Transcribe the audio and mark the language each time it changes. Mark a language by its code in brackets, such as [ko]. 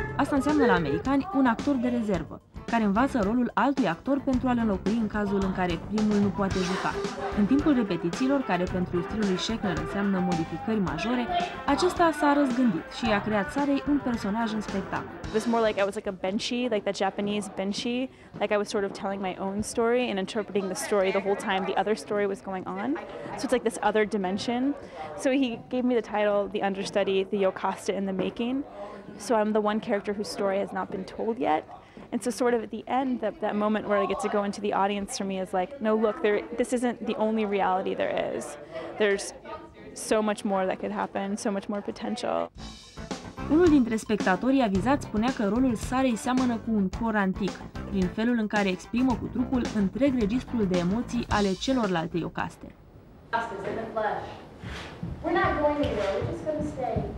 [ro] Asta înseamnă la americani un actor de rezervă, care învață rolul altui actor pentru a-l înlocui în cazul în care primul nu poate juca. În timpul repetițiilor, care pentru stilul lui Schaffner înseamnă modificări majore, acesta s-a răzgândit și a creat Sarei un personaj în spectacol. [en] It was more like I was like a benshi, like the Japanese benshi, like I was sort of telling my own story and interpreting the story the whole time the other story was going on. So it's like this other dimension. So he gave me the title The Understudy, The Iocasta in the Making. So I'm the one character whose story has not been told yet. And so sort of at the end, that moment where I get to go into the audience for me is like, no, look, this isn't the only reality there is. There's so much more that could happen, so much more potential. [ro] Unul dintre spectatorii avizați spunea că rolul Sarei seamănă cu un cor antic, prin felul în care exprimă cu trupul întreg registrul de emoții ale celorlalte iocaste. [en] We're not going anywhere, we're just going to stay.